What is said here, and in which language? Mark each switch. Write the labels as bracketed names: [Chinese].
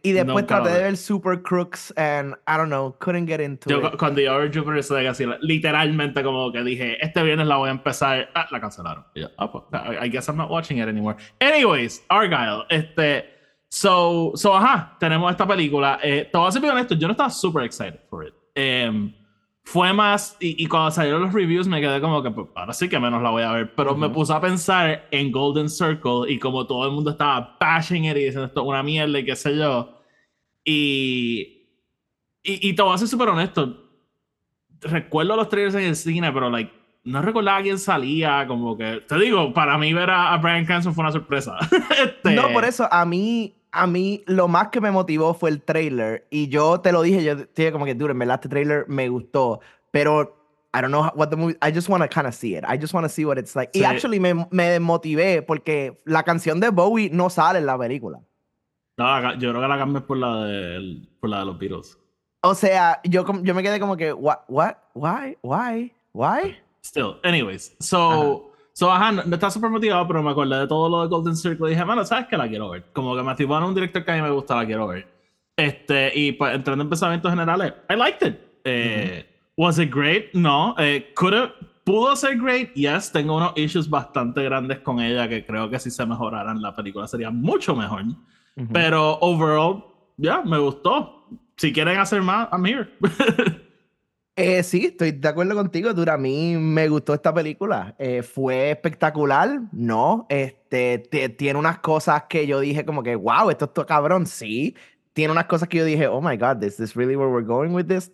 [Spanish] Y después traté de ver [English] Super Crooks and I don't know, couldn't get into it. [Spanish] Yo cuando iba a ver Jupiter's Legacy, literalmente como que dije, este viernes la voy a empezar. Ah, la cancelaron. Yeah. Oh, pues, I guess I'm not watching it anymore. Anyways, Argyle. So, tenemos esta película. Te voy a ser bien honesto, yo no estaba [English] super excited for it. [Spanish] Fue más, y cuando salieron los reviews me quedé como que, pues, ahora sí que menos la voy a ver. Pero uh-huh. Me puse a pensar en Golden Circle y como todo el mundo estaba [English] bashing it [Spanish] y diciendo esto una mierda y qué sé yo. Y te voy a ser súper honesto. Recuerdo los trailers en el cine, pero like, no recordaba quién salía. Como que, te digo, para mí ver a Bryan Cranston fue una sorpresa. No, por eso, a mí lo más que me motivó fue el trailer. Y yo te lo dije, yo dije como que, dude, en verdad este trailer me gustó. [English] Pero I don't know what the movie, I just want to kind of see it. I just want to see what it's like. [Spanish] Sí. Y actually me desmotivé porque la canción de Bowie no sale en la película. No, yo creo que la cambié por la de los Beatles. O sea, yo me quedé como que, why? [English] Still, anyways, so... Uh-huh. [Spanish] So, ajá, no está súper motivado, pero me acordé de todo lo de Golden Circle y dije, mano, ¿sabes qué? La quiero ver. Como que Matthew Vaughn es un director que a mí me gusta, la quiero ver. Y pues, entrando en pensamientos generales, [English] I liked it. [Spanish] Mm-hmm. [English] Was it great? [Spanish] No. ¿Pudo ser great? Yes. Tengo unos issues bastante grandes con ella que creo que si se mejoraran la película sería mucho mejor. Mm-hmm. Pero overall, yeah, me gustó. Si quieren hacer más, [English] I'm here. [Spanish] Sí, estoy de acuerdo contigo, dude. A mí me gustó esta película. ¿Fue espectacular? No. Tiene unas cosas que yo dije como que, wow, esto es todo cabrón. Sí. Tiene unas cosas que yo dije, [English] oh my God, is this really where we're going with this?